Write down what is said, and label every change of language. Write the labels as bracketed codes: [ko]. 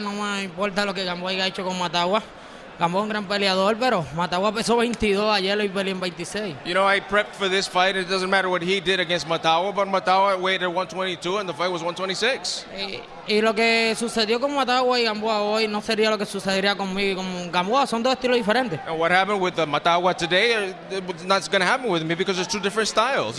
[es] No me importa lo que Gamboa haya hecho con Mtagwa. Gamboa es un gran peleador, pero Mtagwa pesó 22, ayer lo peleó en 26. [en] You know, I prepped for this fight. It doesn't matter what he did against Mtagwa, but Mtagwa weighed at 122 and the fight was 126. [es] Y lo que sucedió con Mtagwa y Gamboa hoy no sería lo que sucedería conmigo y con Gamboa. Son dos estilos diferentes. [en] And what happened with Mtagwa today, it's not going to happen with me because it's two different styles.